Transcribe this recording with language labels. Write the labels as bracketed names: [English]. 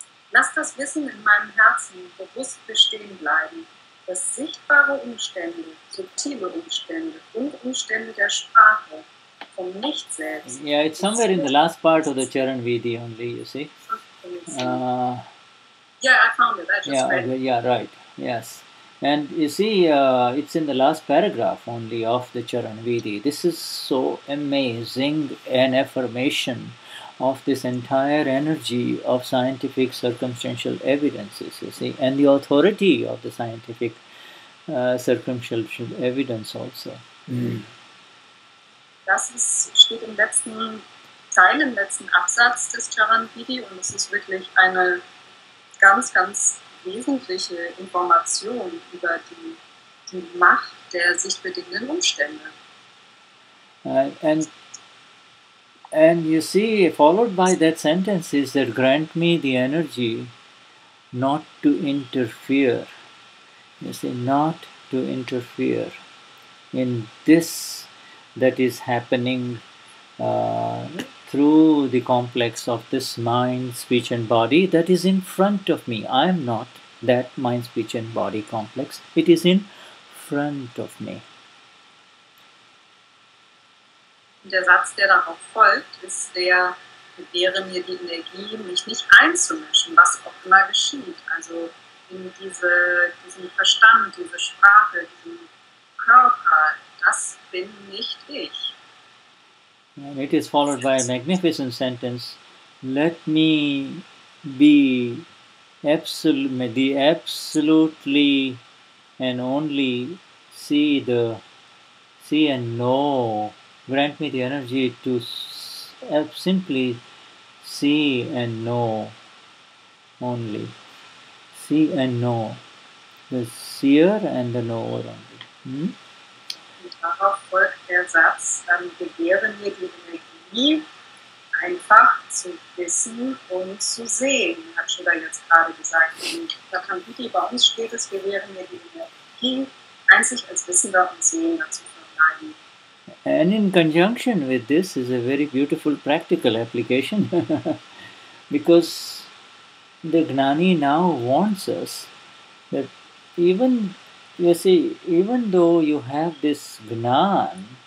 [German] Lass das Wissen in meinem Herzen bewusst bestehen bleiben, dass sichtbare Umstände, subtile Umstände und Umstände der Sprache vom Nicht selbst. [English] Yeah, it's somewhere in the last part of the Charanvidhi only, you see. Yeah, I found it. I just read it. Yeah, right. Yes. And you see, it's in the last paragraph only of the Charanvidhi. This is so amazing, an affirmation of this entire energy of scientific circumstantial evidences, you see, and the authority of the scientific circumstantial evidence also. Mm. [German] Das ist, steht im letzten Teil, im letzten Absatz des Charanvidhi, und es ist wirklich eine ganz, ganz wesentliche Information über die Macht der sich bedingenden Umstände. [English] And you see, followed by that sentence is that grant me the energy not to interfere. You see, not to interfere in this that is happening through the complex of this mind, speech and body that is in front of me. I am not that mind, speech and body complex. It is in front of me. [German] Der Satz, der darauf folgt, ist der, gewähre mir die Energie, mich nicht einzumischen, was auch immer geschieht. Also in diesen Verstand, diese Sprache, diesen Körper, das bin nicht ich. [English] And it is followed by a magnificent sentence. Let me be absolutely and only see and know. Grant me the energy to simply see and know only. See and know. The seer and the knower only. [German] Darauf folgt der Satz, gewähre mir die Energie, einfach zu wissen und zu sehen, hat Schuller jetzt gerade gesagt. Da kann Vidi bei uns steht es, gewähre mir die Energie, einzig als Wissender und Sehender zu verbleiben. [English] And in conjunction with this is a very beautiful practical application because the Gnani now warns us that even though you have this Gnan